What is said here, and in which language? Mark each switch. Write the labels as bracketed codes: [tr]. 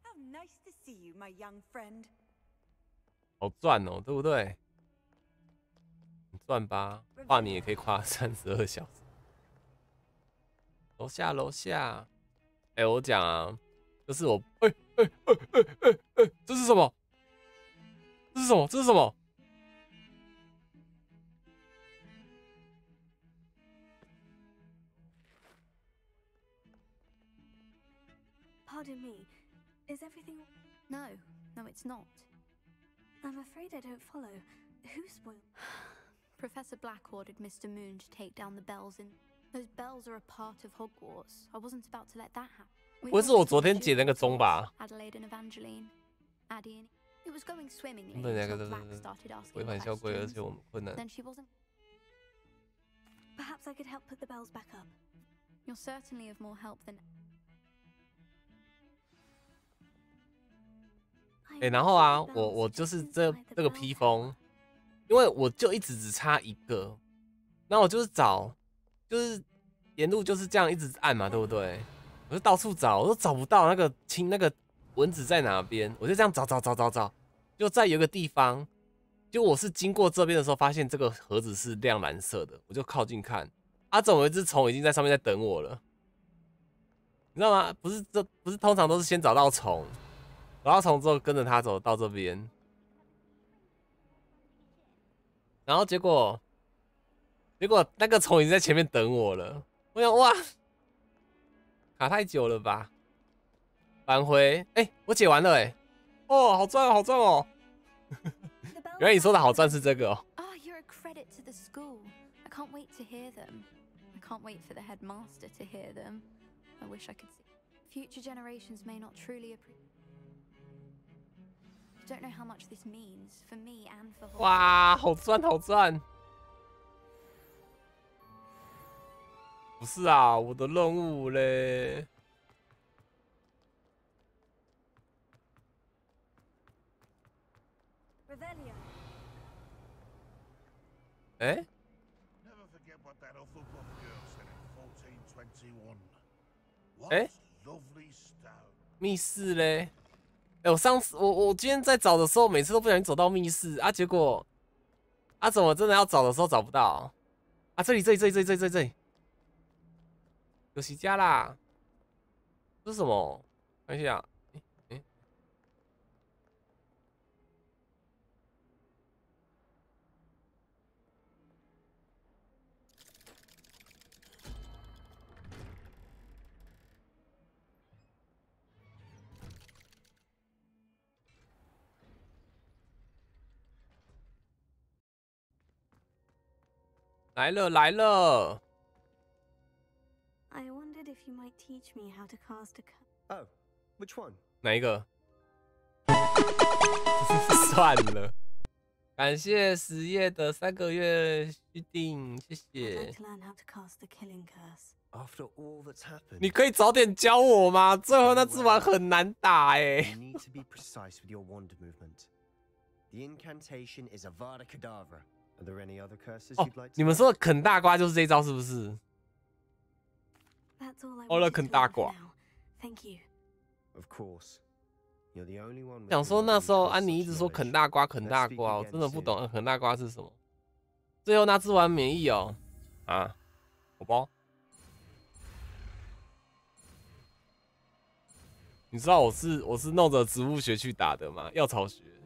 [en] Nice to see you, my young friend. [zh] 好赚哦，对不对？赚吧，画你也可以跨32小时。楼下，楼下。哎、欸，我讲啊，就是我，哎、欸，这是什么？这是什么？ [en] Pardon me. Is everything? No, no, it's not. I'm afraid I don't follow. Who spoiled? Professor Black ordered Mr. Moon to take down the bells. In those bells are a part of Hogwarts. I wasn't about to let that happen. [zh] 不是我昨天解那个钟吧 [en] ？Adelaide and Evangeline, Addie, it was going swimmingly. [zh] 那两个都是违反校规，而且我们困难。 [en] Then she wasn't. Perhaps I could help put the bells back up. You're certainly of more help than. [zh] 哎，然后啊，我就是这个披风，因为我就一直只差一个，那我就是找，就是沿路就是这样一直按嘛，对不对？我就到处找，我都找不到那个青那个蚊子在哪边，我就这样找找找找找，就在有个地方，就我是经过这边的时候，发现这个盒子是亮蓝色的，我就靠近看，啊，怎么一只虫已经在上面在等我了？你知道吗？不是通常都是先找到虫。然后从之后跟着他走到这边，然后结果那个虫已经在前面等我了。我想哇，卡太久了吧？返回，哎，我解完了哎，哦，好赚哦，好赚哦！原来你说的好赚是这个哦。 [en] Oh, you're a credit to the school. I can't wait to hear them. I can't wait for the headmaster to hear them. I wish I could see. Future generations may not truly appreciate. Don't know how much this means for me and for. [zh] 哇，好赚，好赚！不是啊，我的任务嘞。 [en] Revelio. 哎。 Never forget what that awful book girl said in 1421. What lovely stone. [zh] 密室嘞。哎、欸，我上次我今天在找的时候，每次都不小心走到密室啊，结果啊，怎么真的要找的时候找不到啊？这里，游戏家啦，这是什么？看一下，来了来了。 [en] I wondered if you might teach me how to cast a curse. Oh, which one? [zh] 哪一个？算了。感谢十月的三个月续订，谢谢。 [en] I'd like to learn how to cast the killing curse. After all that's happened. [zh] 你可以早点教我吗？最后那只碗很难打哎。 [en] You need to be precise with your wand movement. The incantation is Avada Kedavra. Are there any other curses you'd like to? [zh] 哦，你们说的啃大瓜就是这一招，是不是？欧了啃大瓜。 [en] Thank you. Of course. You're the only one. [zh] 想说那时候安妮一直说啃大瓜，啃大瓜，我真的不懂啃大瓜是什么。最后那只碗免疫哦。啊，宝宝，你知道我是弄着植物学去打的吗？药草学。